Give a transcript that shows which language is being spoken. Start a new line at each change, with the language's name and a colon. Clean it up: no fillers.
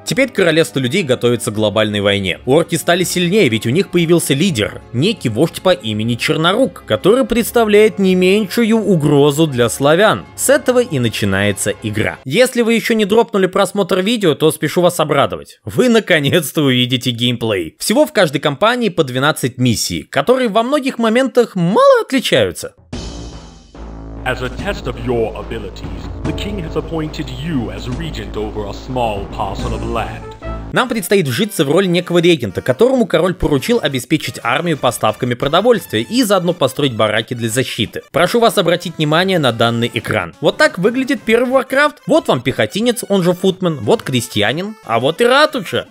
Russian: Теперь королевство людей готовится к глобальной войне. Орки стали сильнее, ведь у них появился лидер, некий вождь по имени Чернорук, который представляет не меньшую угрозу для славян. С этого и начинается игра. Если вы еще не дропнули просмотр видео, то спешу вас обрадовать. Вы наконец-то увидите геймплей. Всего в каждой кампании по 12 миссий, которые во многих моментах мало отличаются.
English: As a test of your abilities, the king has appointed you as regent over a small parcel of land.
Russian: Нам предстоит вжиться в роль некого регента, которому король поручил обеспечить армию поставками продовольствия и заодно построить бараки для защиты. Прошу вас обратить внимание на данный экран. Вот так выглядит первый Warcraft. Вот вам пехотинец, он же футмен, вот крестьянин, а вот и ратуша.